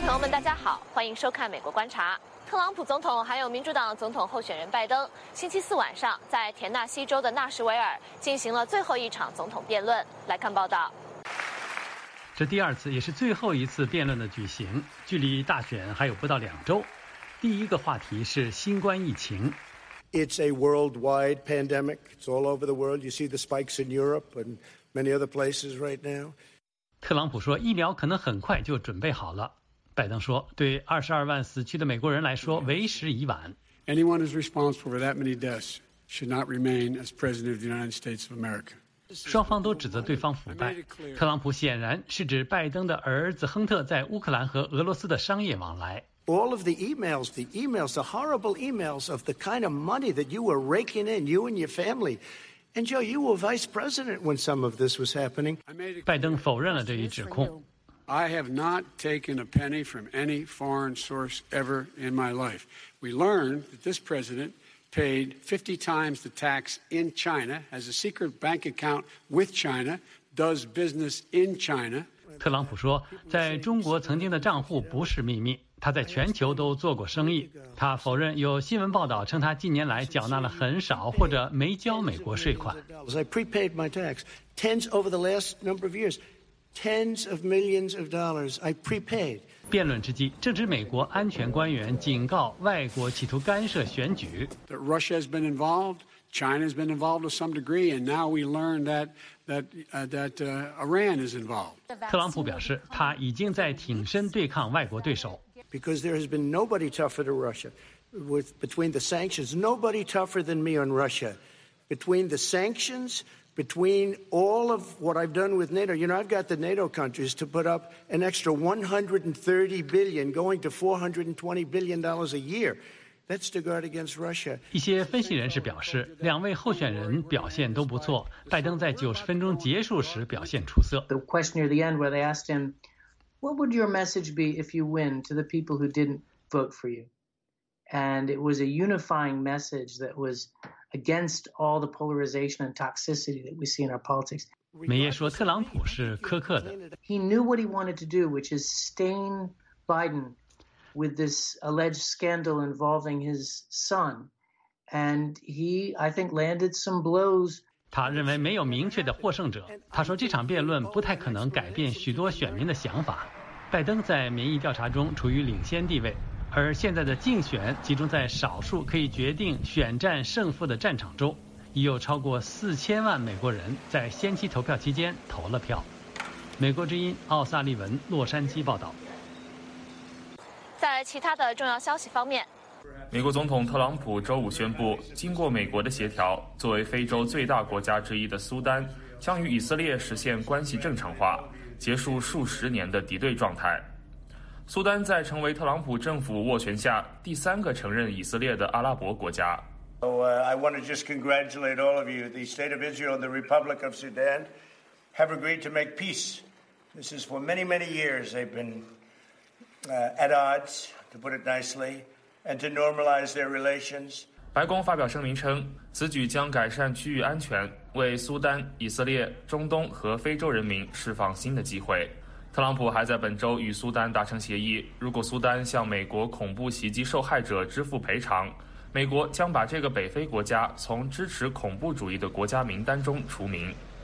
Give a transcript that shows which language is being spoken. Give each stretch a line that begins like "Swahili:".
Chinese: 大家好，欢迎收看《美国观察》。特朗普总统还有民主党总统候选人拜登，星期四晚上在田纳西州的纳什维尔进行了最后一场总统辩论。来看报道。这第二次也是最后一次辩论的举行，距离大选还有不到两周。第一个话题是新冠疫情。
English: It's a worldwide pandemic. It's all over the world. You see the spikes in Europe and many other places right now.
Chinese: 特朗普说，疫苗可能很快就准备好了。拜登说，对22万死去的美国人来说，为时已晚。
English: Anyone who's responsible for that many deaths should not remain as president of the United States of America.
Chinese: 双方都指责对方腐败。特朗普显然是指拜登的儿子亨特在乌克兰和俄罗斯的商业往来。
English: All of the horrible emails of the kind of money that you were raking in, you and your family. And Joe, you were vice president when some of this was happening.
Chinese: 拜登否认了这一指控。
English: I have not taken a penny from any foreign source ever in my life. We learned that this president paid 50 times the tax in China, has a secret bank account with China, does business in China.
Chinese: 特朗普说，在中国曾经的账户不是秘密，他在全球都做过生意。他否认有新闻报道称他近年来缴纳了很少或者没交美国税款。
English: I prepaid my tax tens over the last number of years, tens of millions of dollars I prepaid.
Chinese: 辩论之际，正值美国安全官员警告外国企图干涉选举。
English: That Russia has been involved, China has been involved to some degree, and now we learn that Iran is involved.
Chinese: 特朗普表示，他已经在挺身对抗外国对手。
English: Because there has been nobody tougher than Russia, with between the sanctions, nobody tougher than me on Russia, between the sanctions, between all of what I've done with NATO. You know, I've got the NATO countries to put up an extra $130 billion, going to $420 billion a year. That's to guard against Russia.
Chinese: 一些分析人士表示，两位候选人表现都不错。拜登在90分钟结束时表现出色。
English: The question near the end where they asked him. What would your message be if you win to the people who didn't vote for you? And it was a unifying message that was against all the polarization and toxicity that we see in our politics.
Chinese: 梅耶说特朗普是苛刻的。
English: He knew what he wanted to do, which is stain Biden with this alleged scandal involving his son. And he, I think, landed some blows.
Chinese: 他认为没有明确的获胜者。他说这场辩论不太可能改变许多选民的想法。拜登在民意调查中处于领先地位，而现在的竞选集中在少数可以决定选战胜负的战场中，已有超过4000万美国人在先期投票期间投了票。美国之音奥萨利文洛杉矶报道。在其他的重要消息方面，美国总统特朗普周五宣布，经过美国的协调，作为非洲最大国家之一的苏丹将与以色列实现关系正常化，结束数十年的敌对状态。苏丹在成为特朗普政府斡旋下第三个承认以色列的阿拉伯国家。
English: I want to just congratulate all of you. The State of Israel and the Republic of Sudan have agreed to make peace. This is for many, many years they've been at odds, to put it nicely. And to normalize their relations.
Chinese: 白宫发表声明称，此举将改善区域安全，为苏丹、以色列、中东和非洲人民释放新的机会。特朗普还在本周与苏丹达成协议，如果苏丹向美国恐怖袭击受害者支付赔偿，美国将把这个北非国家从支持恐怖主义的国家名单中除名。